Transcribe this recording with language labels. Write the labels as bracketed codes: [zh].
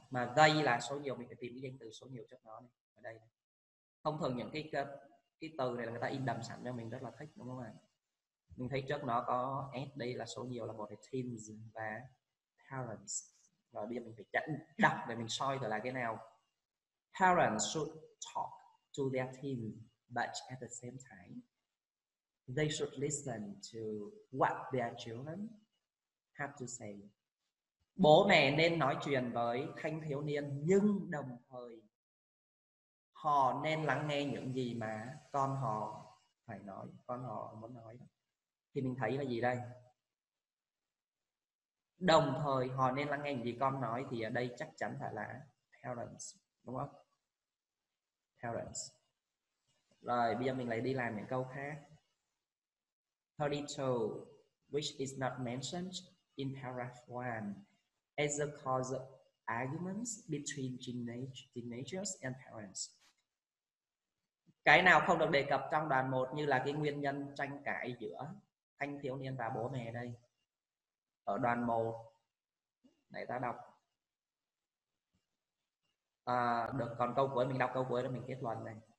[vi] Mà they là số nhiều, mình phải tìm cái danh từ số nhiều trước nó này. Ở đây thông thường những cái từ này là người ta in đậm sẵn cho mình, rất là thích đúng không ạ? Mình thấy trước nó có s, đây là số nhiều, là một cái teams và parents. Rồi bây giờ mình phải chặn đọc để mình soi thử là cái nào. [en] Parents should talk to their teens, but at the same time, they should listen to what their children have to say. [vi] Bố mẹ nên nói chuyện với thanh thiếu niên, nhưng đồng thời họ nên lắng nghe những gì mà con họ phải nói, con họ muốn nói. Thì mình thấy là gì đây? Đồng thời họ nên lắng nghe những gì con nói, thì ở đây chắc chắn phải là parents đúng không? Parents. Rồi bây giờ mình lại đi làm những câu khác. [en] 32, which is not mentioned in paragraph 1, as a cause arguments between teenagers and parents. [vi] Cái nào không được đề cập trong đoạn 1 như là cái nguyên nhân tranh cãi giữa thanh thiếu niên và bố mẹ đây? Ở đoạn 1 để ta đọc được, còn câu cuối mình đọc câu cuối rồi mình kết luận này.